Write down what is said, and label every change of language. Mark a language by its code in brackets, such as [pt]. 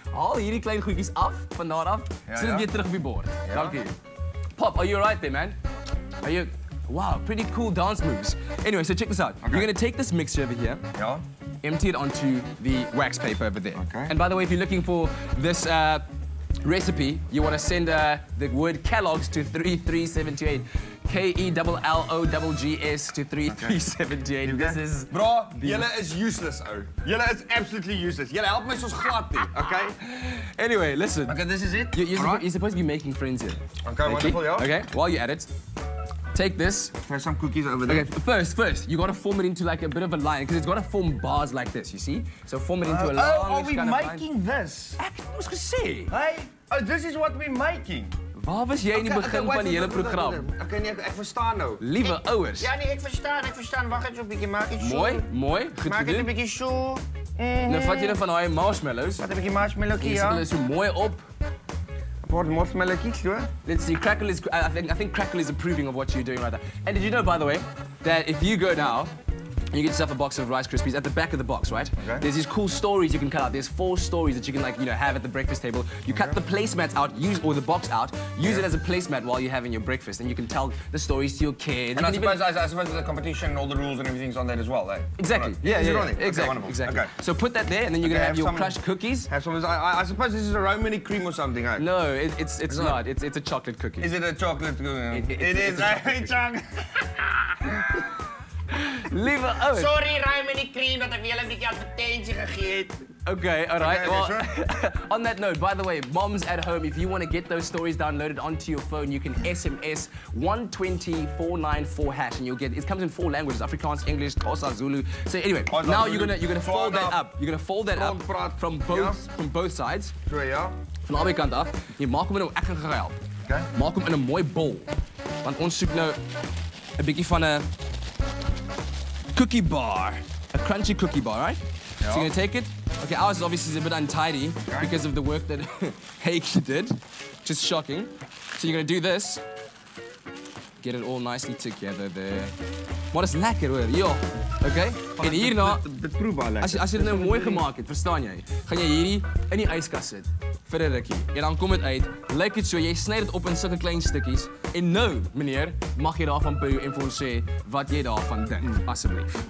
[af] Haal hierdie klein goedjies af van daar af. Sit dit weer terug op die bord. Ja. Dankie. [en] Pop, are you alright there, man? Are you? Wow, pretty cool dance moves. Anyway, so check this out. Okay. You're gonna take this mixture over here. [af] Ja. [en] Empty it onto the wax paper over there. Okay. And by the way, if you're looking for this recipe, you want to send the word Kelloggs to 33728. K-E-L-L-O-G-S to 33728. Okay. This is... Bro, Jelle is useless, oh. Jelle is absolutely useless. Jelle, help me so glad, okay? Anyway, listen. Okay, this is it. You're supposed to be making friends here. Okay, wonderful, yeah. Okay, while you're at it, take this. There's some cookies over there. Okay, first, you gotta form it into like a bit of a line, because it's gotta form bars like this, you see? So form it into a long kind of line. Are we making this? I was gonna say. Hey, this is what we're making. [af] Waar was jy in die begin van die hele program? Okay, nee, ek verstaan nou. Liewe ouers. Ja, nee, ek verstaan. Wag net so 'n bietjie, maak dit so. Mooi, goed gedoen. Maak dit 'n bietjie so. Nou vat jy dan van daai marshmallows. Wat 'n bietjie marshmallowkie, ja. Dis hulle so mooi op. Word marshmallowkies, hoor. [en] Let's see, Crackle is... I think Crackle is approving of what you're doing right there. And did you know, by the way, that if you go now, you get yourself a box of Rice Krispies at the back of the box, right? Okay. There's these cool stories you can cut out. There's four stories that you can like, you know, have at the breakfast table. You cut the placemats out, use it as a placemat while you're having your breakfast, and you can tell the stories to your kids. And I suppose the competition and all the rules and everything's on that as well, eh? Exactly. Right. Exactly. Okay. So put that there, and then you're gonna have your crushed cookies. Have some. I suppose this is a Romani cream or something, eh? No, it's not. Like, it's a chocolate cookie. Is it a chocolate cookie? It is a chocolate cookie. [af] Liewe ouers. Sorry, Romani cream, dat ek vir julle 'n bietjie advertensie gegee het. [en] Okay, all right. Well, on that note, by the way, moms at home, if you want to get those stories downloaded onto your phone, you can SMS 120494 hash, and you'll get it. Comes in four languages: Afrikaans, English, Xhosa, Zulu. So anyway, now you're gonna fold that up. You're gonna fold that up from both sides. [af] Van albei kante af. Jy maak hom in 'n ek gaan gehelp. [en] Okay. [af] Maak hom in 'n mooi bol. Want ons soek nou 'n bietjie van 'n cookie bar, [en] a crunchy cookie bar, right? Yeah. So you're gonna take it? Okay, ours is obviously a bit untidy because of the work that Heike did. Just shocking. So you're gonna do this. Get it all nicely together there. What is [af] lekker, hoor? [en] Yo. Okay? [af] En hierna, dit proe baie lekker. As jy dit nou mooi gemaak het, verstaan jy? Gaan jy hierdie in die yskas sit vir 'n rukkie. En dan kom dit uit. Lyk dit so, jy sny dit op in sulke klein stukkies. En nou, meneer, mag jy daarvan proe en vir ons sê wat jy daarvan dink, asseblief.